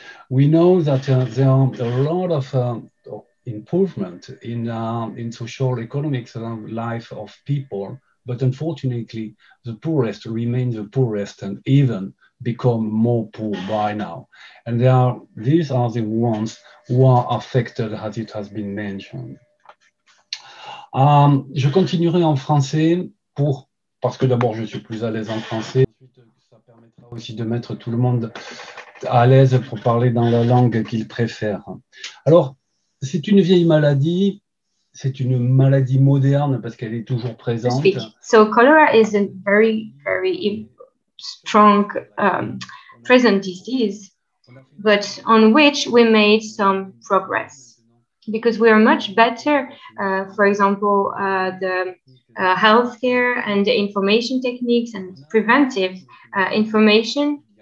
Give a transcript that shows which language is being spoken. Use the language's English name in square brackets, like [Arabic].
[English] We know that there are a lot of improvement in social economics and life of people, but unfortunately, the poorest remain the poorest and even become more poor by now. And these are the ones who are affected, as it has been mentioned. [French] Je continuerai en français parce que d'abord je suis plus à l'aise en français. Ça permettra aussi de mettre tout le monde à l'aise pour parler dans la langue qu'il préfère. Alors, c'est une vieille maladie, c'est une maladie moderne parce qu'elle est toujours présente. [English] So cholera is a very, very strong present disease, but on which we made some progress. Because we are much better, for example, the healthcare and the information techniques and preventive information.